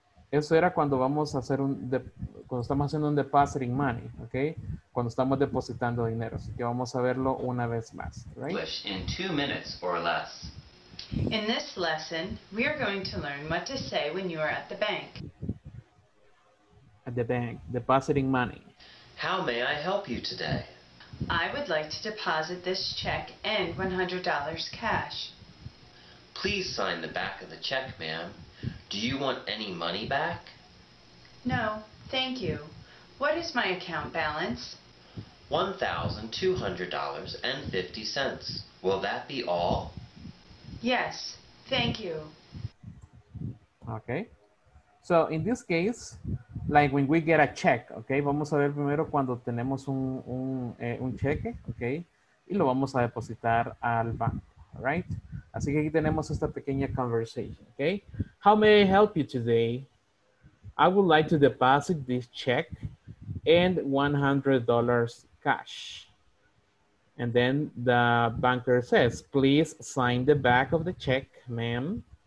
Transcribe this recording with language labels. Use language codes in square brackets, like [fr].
[es] Eso era cuando vamos a hacer cuando estamos haciendo un [en] depositing money, [es] okay? Cuando estamos depositando dinero. Así que vamos a verlo una vez más, right? [en] English in 2 minutes or less. In this lesson, we are going to learn what to say when you are at the bank. At the bank, depositing money. How may I help you today? I would like to deposit this check and $100 cash. Please sign the back of the check, ma'am. Do you want any money back? No, thank you. What is my account balance? $1,200.50. Will that be all? Yes, thank you. Okay. So, in this case, like when we get a check, okay? [es] Vamos a ver primero cuando tenemos un cheque, okay? Y lo vamos a depositar al banco, all right? Así que aquí tenemos esta pequeña conversation, okay? [en] How may I help you today? I would like to deposit this check and $100 cash. And then the banker says, please sign the back of the check, ma'am.